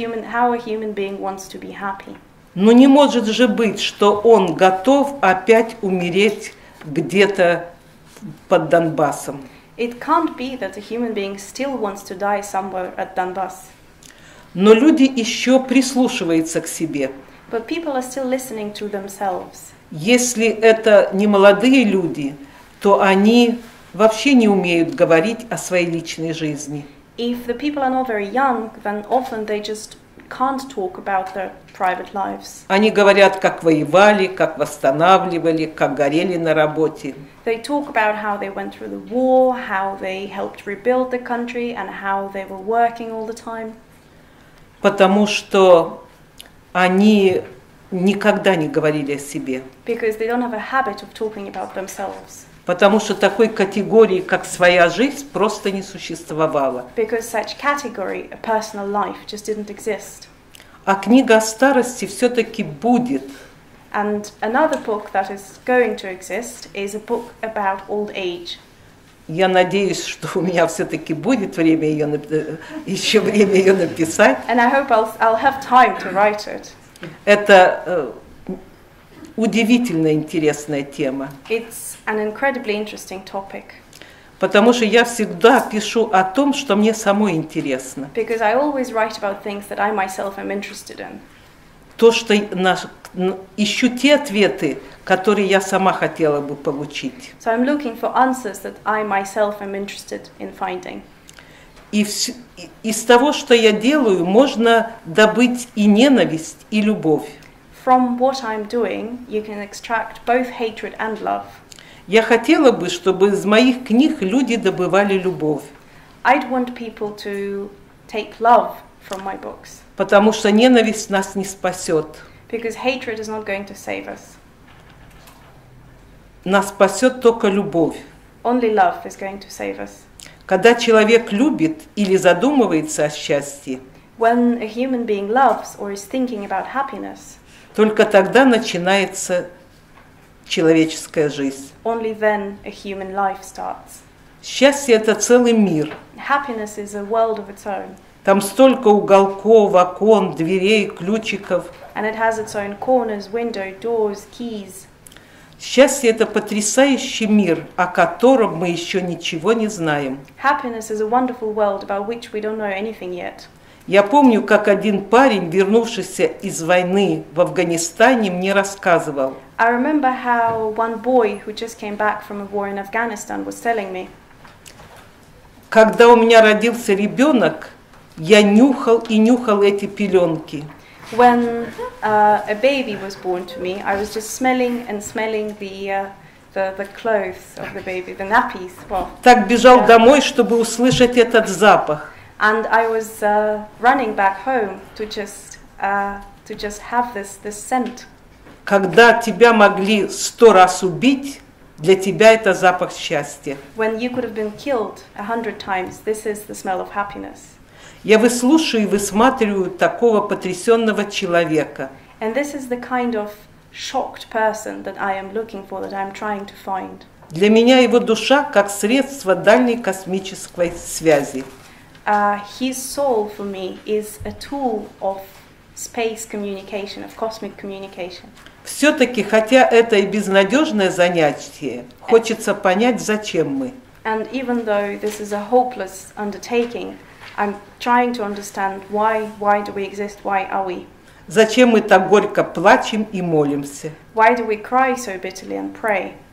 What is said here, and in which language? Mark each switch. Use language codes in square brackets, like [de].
[en] How a human being wants to be happy. [ru] Но не может же быть, что он готов опять умереть где-то под Донбассом. [en] It can't be that a human being still wants to die somewhere at Donbass. [ru] Но люди еще прислушиваются к себе. [en] But people are still listening to themselves. [ru] Если это не молодые люди, то они вообще не умеют говорить о своей личной жизни. [en] If the people are not very young, then often they just can't talk about their private lives. [ru] Они говорят, как воевали, как восстанавливали, как горели на работе. [en] They talk about how they went through the war, how they helped rebuild the country, and how they were working all the time. [ru] Потому что они никогда не говорили о себе. [en] Because they don't have a habit of talking about themselves. [ru] Потому что такой категории, как своя жизнь, просто не существовало. [en] Because such category, a personal life, just didn't exist. [ru] А книга о старости все-таки будет. [en] And another book that is going to exist is a book about old age. [ru] Я надеюсь, что у меня все-таки будет время еще время ее написать. [en] And I hope I'll have time to write it. [ru] Это удивительно интересная тема. [en] It's an incredibly interesting topic. [ru] Потому что я всегда пишу о том, что мне самой интересно. [en] Because I always write about things that I myself am interested in. [ru] То, что ищу те ответы, которые я сама хотела бы получить. [en] So I'm looking for answers that I myself am interested in finding. [ru] Из того, что я делаю, можно добыть и ненависть, и любовь. [en] From what I'm doing, you can extract both hatred and love. [ru] Я хотела бы, чтобы из моих книг люди добывали любовь. [en] I'd want people to take love from my books. [ru] Потому что ненависть нас не спасет. [en] Because hatred is not going to save us. [ru] Нас спасет только любовь. [en] Only love is going to save us. [ru] Когда человек любит или задумывается о счастье, [en] when a human being loves or is thinking about happiness, [ru] только тогда начинается человеческая жизнь. [en] Only then a human life starts. [ru] Счастье – это целый мир. [en] Happiness is a world of its own. [ru] Там столько уголков, окон, дверей, ключиков. [en] And it has its own corners, window, doors, keys. [ru] Счастье – это потрясающий мир, о котором мы еще ничего не знаем. [en] Happiness is a wonderful world about which we don't know anything yet. [ru] Я помню, как один парень, вернувшийся из войны в Афганистане, мне рассказывал. [en] I remember how one boy who just came back from a war in Afghanistan was telling me. [ru] Когда у меня родился ребенок, я нюхал и нюхал эти пеленки. [en] When a baby was born to me, I was just smelling and smelling the clothes of the baby, the nappies. Well, [ru] так бежал домой, чтобы услышать этот запах. [en] And I was running back home to just have this scent. [ru] Когда тебя могли 100 раз убить, для тебя это запах счастья. [en] When you could have been killed 100 times, this is the smell of happiness. [ru] Я выслушаю и высматриваю такого потрясенного человека. [en] And this is the kind of shocked person that I am looking for, that I am trying to find. [ru] Для меня его душа как средство дальней космической связи. [en] His soul for me is a tool of space communication, of cosmic communication. [ru] Все-таки, хотя это и безнадежное занятие, хочется понять, зачем мы. [en] And even though this is a hopeless undertaking, I'm trying to understand why do we exist, why are we? [ru] Зачем мы так горько плачем и молимся? [en] Why do we cry so bitterly and pray?